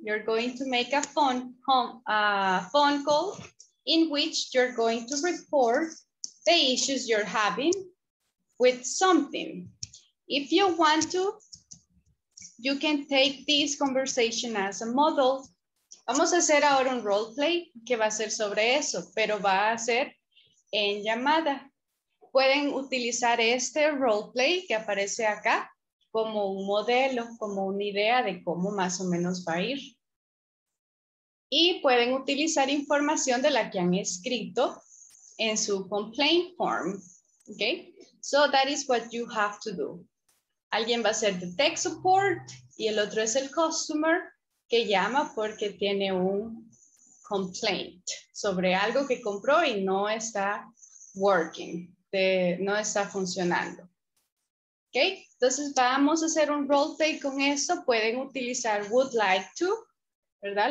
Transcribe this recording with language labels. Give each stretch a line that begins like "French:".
English: You're going to make a phone call in which you're going to report the issues you're having with something. If you want to, you can take this conversation as a model.
Spanish: Vamos a hacer ahora un role play que va a ser sobre eso, pero va a ser en llamada. Pueden utilizar este role play que aparece acá como un modelo, como una idea de cómo más o menos va a ir. Y pueden utilizar información de la que han escrito en su complaint form.
English: Okay? So that is what you have to do.
Spanish: Alguien va a ser de tech support y el otro es el customer que llama porque tiene un complaint sobre algo que compró y no está working, no está funcionando. Okay? Entonces vamos a hacer un role play con eso. Pueden utilizar
English: would like to,
Spanish: ¿verdad?